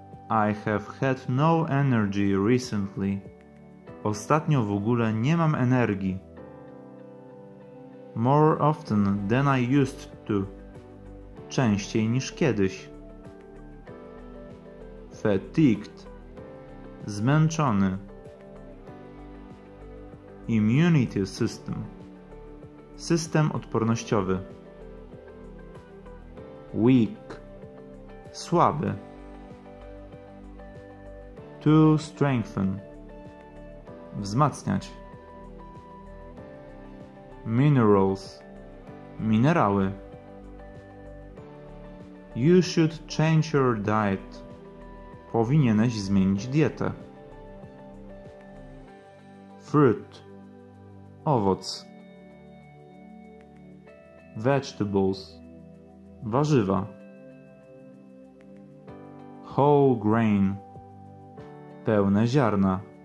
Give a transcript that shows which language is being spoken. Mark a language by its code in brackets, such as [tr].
[en] I have had no energy recently. [pl] Ostatnio w ogóle nie mam energii. [en] More often than I used to. [pl] Częściej niż kiedyś. [en] Fatigued. [pl] Zmęczony. [en] Immunity system. [pl] System odpornościowy. [en] Weak. [pl] Słaby. [en] To strengthen. [pl] Wzmacniać. [en] Minerals. [pl] Minerały. [en] You should change your diet. [pl] Powinieneś zmienić dietę. [en] Fruit. [pl] Owoc. [en] Vegetables. [pl] Warzywa. [en] Whole grain. [pl] Pełne ziarna.